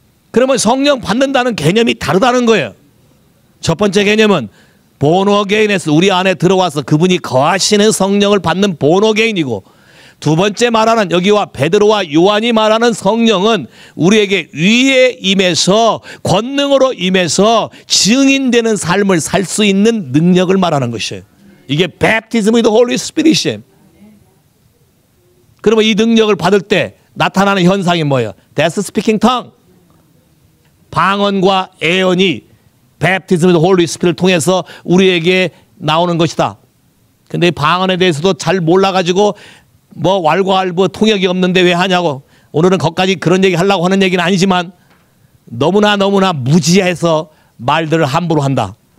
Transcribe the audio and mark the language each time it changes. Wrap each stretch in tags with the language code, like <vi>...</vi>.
<ko>그러면 성령 받는다는 개념이 다르다는 거예요. 첫 번째 개념은 본어게인에서 우리 안에 들어와서 그분이 거하시는 성령을 받는 본어게인이고, 두 번째 말하는 여기와 베드로와 요한이 말하는 성령은 우리에게 위에 임해서 권능으로 임해서 증인되는 삶을 살 수 있는 능력을 말하는 것이에요. 이게</ko> <en>baptism with the Holy Spirit이에요.</en> <ko>그러면 이 능력을 받을 때 나타나는 현상이 뭐예요?</ko> <en>That's speaking tongue.</en> <ko>방언과 애언이</ko> <en>baptism with the Holy Spirit</en> <ko>을 통해서 우리에게 나오는 것이다. 근데 방언에 대해서도 잘 몰라가지고 뭐 왈가왈부 통역이 없는데 왜 하냐고, 오늘은 거기까지 그런 얘기 하려고 하는 얘기는 아니지만 너무나 너무나 무지해서 말들을 함부로 한다.</ko>